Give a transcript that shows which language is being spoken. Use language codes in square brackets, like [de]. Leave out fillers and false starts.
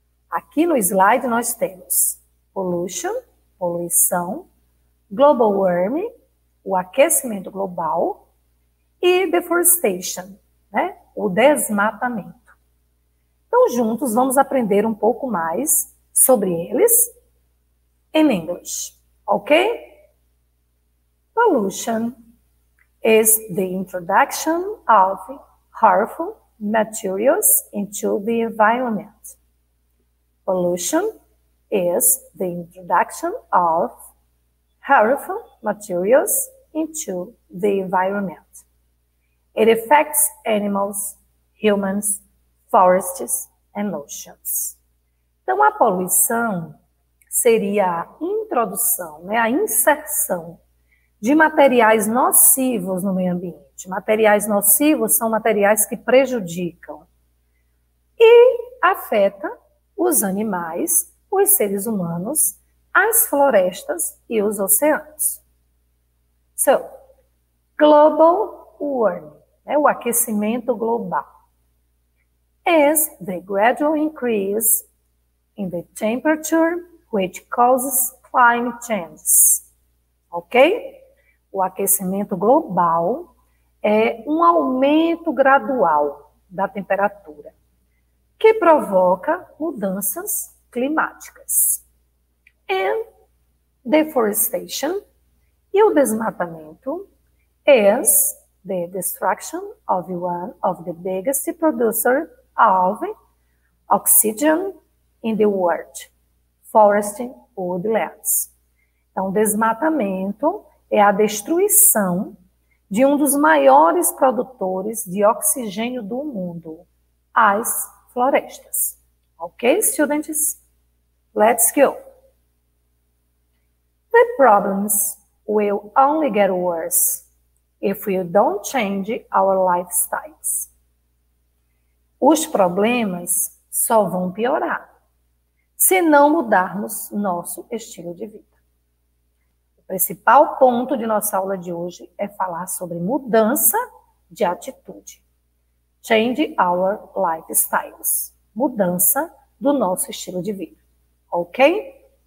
[pt] Aqui no slide nós temos pollution, poluição, global warming, o aquecimento global, e deforestation, né? O desmatamento. Então, juntos vamos aprender um pouco mais sobre eles em inglês, ok? [en] Pollution is the introduction of harmful materials into the environment. Pollution is the introduction of harmful materials into the environment. It affects animals, humans, forests and oceans. [pt] Então, a poluição seria a introdução, né, a inserção de materiais nocivos no meio ambiente. Materiais nocivos são materiais que prejudicam e afeta os animais, os seres humanos, as florestas e os oceanos. [en] So, global warming, [pt] né, o aquecimento global, [en] is the gradual increase in the temperature which causes climate change. Ok? [pt] O aquecimento global é um aumento gradual da temperatura que provoca mudanças climáticas. [en] And deforestation, [pt] e o desmatamento, [en] is the destruction of one of the biggest producers of oxygen in the world, forest woodlands. [pt] Então, desmatamento é a destruição de um dos maiores produtores de oxigênio do mundo, as florestas. [en] Ok, students? Let's go. The problems will only get worse if we don't change our lifestyles. [pt] Os problemas só vão piorar se não mudarmos nosso estilo de vida. O principal ponto de nossa aula de hoje é falar sobre mudança de atitude. [en] Change our lifestyles. [pt] Mudança do nosso estilo de vida. Ok?